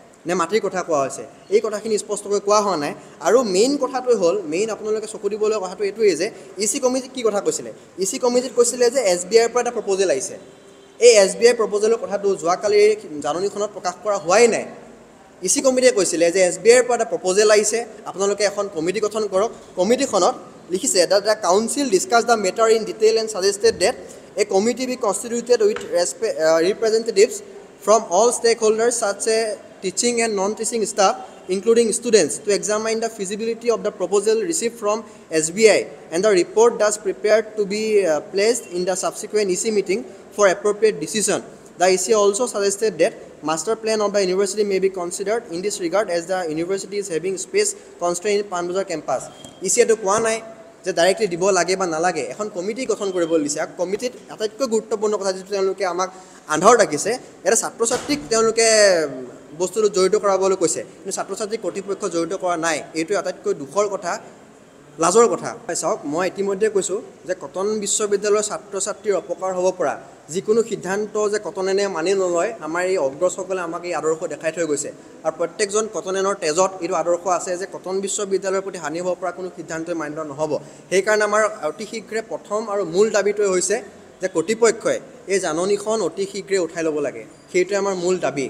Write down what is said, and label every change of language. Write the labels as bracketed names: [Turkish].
[Assamese] নে মাটিৰ কথা কোৱা হৈছে এই কথাখিনি স্পষ্টকৈ কোৱা হোৱা নাই আৰু মেইন কথাটোৱে হ'ল মেইন আপোনালোকে চকু দিবলৈ কথাটো এইটোৱেই যে ECI কমিটিত কি কথা কৈছিলে ECI কমিটিত কৈছিলে যে SBIৰ পৰা এটা প্ৰপ'জেল আহিছে এই SBIৰ প্ৰপ'জেলৰ কথাটো যোৱাকালি জাননীখনত প্ৰকাশ কৰা হোৱাই নাই ECI কমিটিয়ে কৈছিলে যে SBIৰ পৰা এটা প্ৰপ'জেল আহিছে আপোনালোকে এখন কমিটি গঠন কৰক কমিটিখনত লিখিছে এটা [English] The council discussed the matter in detail and suggested that a committee be constituted with representatives from all stakeholders such as teaching and non-teaching staff, including students, to examine the feasibility of the proposal received from SBI and the report thus prepared to be placed in the subsequent EC meeting for appropriate decision. The EC also suggested that master plan of the university may be considered in this regard as the university is having space constraint in Panbazar campus. EC to one eye. [Assamese] যে directly দিব লাগে বা নালাগে এখন committee গঠন করবলৈ দিছে আৰু কমিটিত আটাইতকৈ গুৰুত্বপূৰ্ণ কথা যেটো তেওঁলোকে আমাক আন্ধাৰ ৰাখিছে এটা ছাত্ৰ-ছাত্ৰীক তেওঁলোকে বস্তুটো জড়িত কৰাবলৈ কৈছে কিন্তু ছাত্ৰ-ছাত্ৰীক কৰ্তৃপক্ষ জড়িত কৰা নাই এইটো আটাইতকৈ দুখৰ কথা লাজৰ কথা চাওক মই ইতিমধ্যে কৈছোঁ যে কটন বিশ্ববিদ্যালয়ৰ ছাত্ৰ-ছাত্ৰীৰ অপকাৰ হ'ব পৰা যিকোনো সিদ্ধান্ত যে কটনেনে মানি নলয় আমাৰ এই অগ্ৰসকলে আমাক এই আদৰ্শ দেখাই থৈ গৈছে আৰু প্ৰত্যেকজন কটনেনৰ তেজত এইটো আদৰ্শ আছে যে কটন বিশ্ববিদ্যালয়ৰ প্ৰতি হানি হ'ব পৰা কোনো সিদ্ধান্তই মান্য নহ'ব সেইকাৰণে আমাৰ অতি শীঘ্ৰে প্ৰথম আৰু মূল দাবীটোৱে হৈছে যে কৰ্তৃপক্ষই এই জাননীখন অতি শীঘ্ৰে উঠাই ল'ব লাগে সেইটোৱে আমাৰ মূল দাবী।